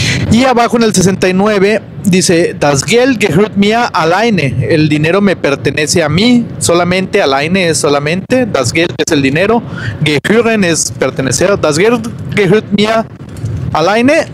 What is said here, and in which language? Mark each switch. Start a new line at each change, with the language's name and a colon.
Spanish: Y abajo en el 69 dice:
German: Das Geld gehört mir alleine.
Spanish: El dinero me pertenece a mí, solamente alleine es solamente. Das Geld es el dinero. Gehören es pertenecer.
German: Das Geld gehört mir alleine.